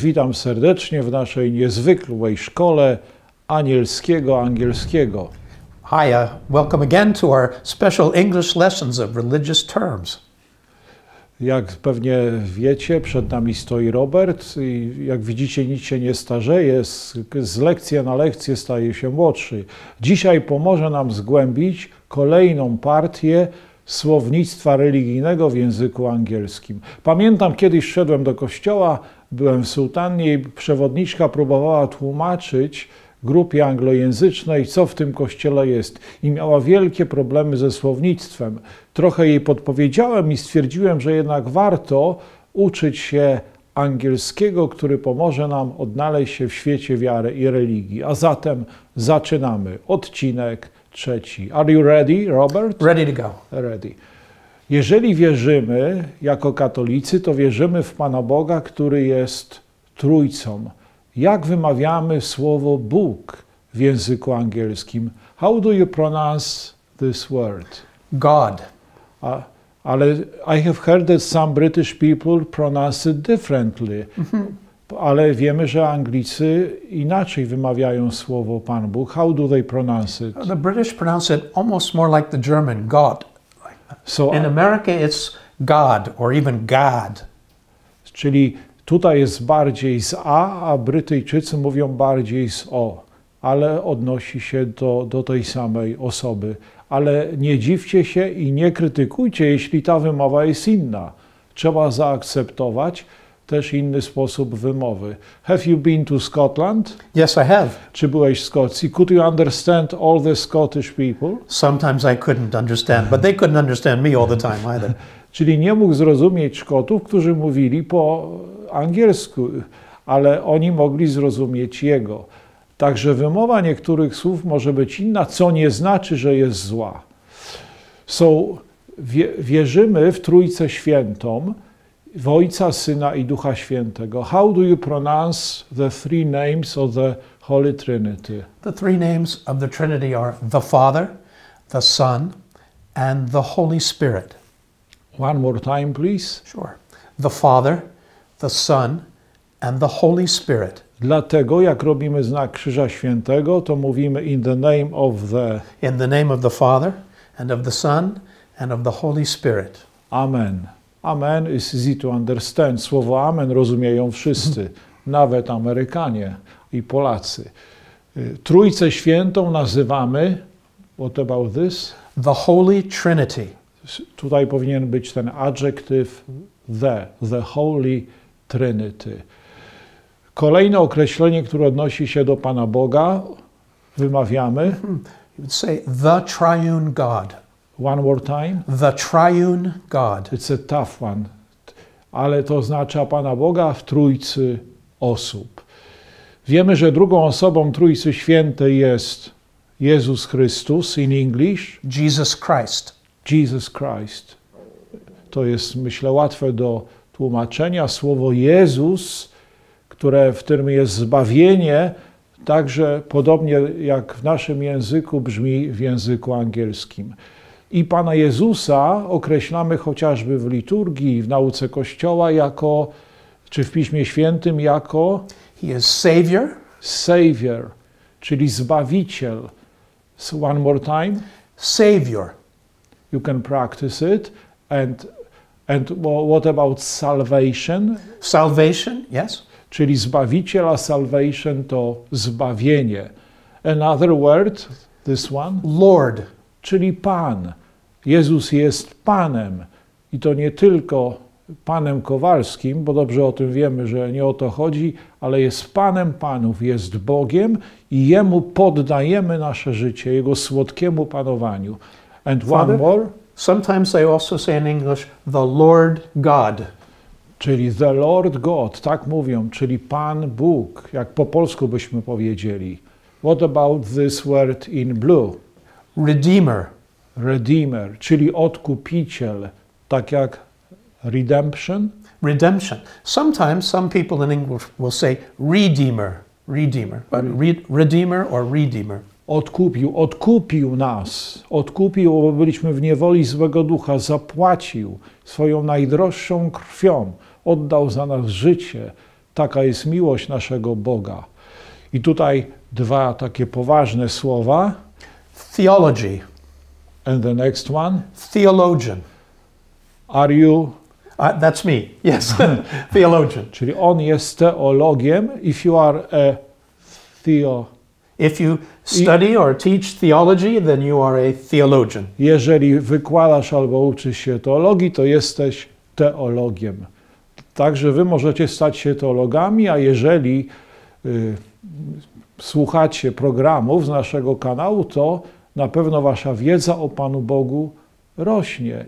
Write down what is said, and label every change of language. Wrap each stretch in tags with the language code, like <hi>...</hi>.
<pl>Witam serdecznie w naszej niezwykłej szkole angielskiego.</pl> <en>Hiya, welcome again to our special English lessons of religious terms.</en> <pl>Jak pewnie wiecie, przed nami stoi Robert i jak widzicie, nic się nie starzeje, z lekcji na lekcję staje się młodszy. Dzisiaj pomoże nam zgłębić kolejną partię słownictwa religijnego w języku angielskim. Pamiętam, kiedyś szedłem do kościoła, byłem w sutannie i przewodniczka próbowała tłumaczyć grupie anglojęzycznej, co w tym kościele jest, i miała wielkie problemy ze słownictwem. Trochę jej podpowiedziałem i stwierdziłem, że jednak warto uczyć się angielskiego, który pomoże nam odnaleźć się w świecie wiary i religii. A zatem zaczynamy odcinek trzeci.</pl> <en>Are you ready, Robert? Ready to go. Ready.</en> <pl>Jeżeli wierzymy jako katolicy, to wierzymy w Pana Boga, który jest Trójcą. Jak wymawiamy słowo Bóg w języku angielskim?</pl> <en>How do you pronounce this word? God. Ale I have heard that some British people pronounce it differently. Mm-hmm.</en> <pl>Ale wiemy, że Anglicy inaczej wymawiają słowo Pan Bóg.</pl> <en>How do they pronounce it? The British pronounce it almost more like the German, God. So in America it's God or even God.</en> <pl>Czyli tutaj jest bardziej z A, a Brytyjczycy mówią bardziej z O, ale odnosi się do tej samej osoby. Ale nie dziwcie się i nie krytykujcie, jeśli ta wymowa jest inna. Trzeba zaakceptować też inny sposób wymowy.</pl> <en>Have you been to Scotland? Yes, I have.</en> <pl>Czy byłeś w Szkocji?</pl> <en>Could you understand all the Scottish people? Sometimes I couldn't understand, but they couldn't understand me all the time either.</en> <pl>Czyli nie mógł zrozumieć Szkotów, którzy mówili po angielsku, ale oni mogli zrozumieć jego. Także wymowa niektórych słów może być inna, co nie znaczy, że jest zła. So, wierzymy w Trójcę Świętą, w Ojca, Syna i Ducha Świętego.</pl> <en>How do you pronounce the three names of the Holy Trinity? The three names of the Trinity are the Father, the Son and the Holy Spirit. One more time, please. Sure. The Father, the Son and the Holy Spirit.</en> <pl>Dlatego jak robimy znak Krzyża Świętego, to mówimy</pl> <en>in the name of the... In the name of the Father and of the Son and of the Holy Spirit. Amen. Amen is easy to understand.</en> <pl>Słowo amen rozumieją wszyscy, nawet Amerykanie i Polacy. Trójcę Świętą nazywamy,</pl> <en>what about this? The Holy Trinity.</en> <pl>Tutaj powinien być ten adjektyw</pl> <en>the Holy Trinity.</en> <pl>Kolejne określenie, które odnosi się do Pana Boga, wymawiamy.</pl> <en>You would say the triune God. One more time. The triune God. It's a tough one.</en> <pl>Ale to oznacza Pana Boga w Trójcy osób. Wiemy, że drugą osobą Trójcy Świętej jest Jezus Chrystus</pl> <en>in English. Jesus Christ. Jesus Christ.</en> <pl>To jest, myślę, łatwe do tłumaczenia. Słowo Jezus, które w tym jest zbawienie, także podobnie jak w naszym języku brzmi w języku angielskim. I Pana Jezusa określamy chociażby w liturgii, w nauce Kościoła jako, czy w Piśmie Świętym jako...</pl> <en>He is Savior.</en> <pl>Savior, czyli Zbawiciel.</pl> <en>So one more time. Savior. You can practice it. And what about salvation? Salvation, yes.</en> <pl>Czyli Zbawiciel, a salvation to zbawienie.</pl> <en>Another word, this one. Lord.</en> <pl>Czyli Pan. Jezus jest Panem. I to nie tylko Panem Kowalskim, bo dobrze o tym wiemy, że nie o to chodzi, ale jest Panem Panów, jest Bogiem i Jemu poddajemy nasze życie, Jego słodkiemu panowaniu.</pl> <en>And Father, one more. Sometimes I also say in English, the Lord God.</en> <pl>Czyli</pl> <en>the Lord God,</en> <pl>tak mówią, czyli Pan Bóg, jak po polsku byśmy powiedzieli.</pl> <en>What about this word in blue? Redeemer.</en> <pl>Redeemer, czyli odkupiciel, tak jak redemption?</pl> <en>Redemption. Sometimes some people in English will say redeemer, but redeemer or redeemer.</en> <pl>odkupił nas, odkupił, bo byliśmy w niewoli złego ducha, zapłacił swoją najdroższą krwią, oddał za nas życie. Taka jest miłość naszego Boga. I tutaj dwa takie poważne słowa.</pl> <en>Theology. And the next one? Theologian. Are you? That's me, yes. Theologian.</en> <pl>Czyli on jest teologiem.</pl> <en>If you are a theologian. If you study or teach theology, then you are a theologian.</en> <pl>Jeżeli wykładasz albo uczysz się teologii, to jesteś teologiem. Także wy możecie stać się teologami, a jeżeli słuchacie programów z naszego kanału, to na pewno wasza wiedza o Panu Bogu rośnie.</pl>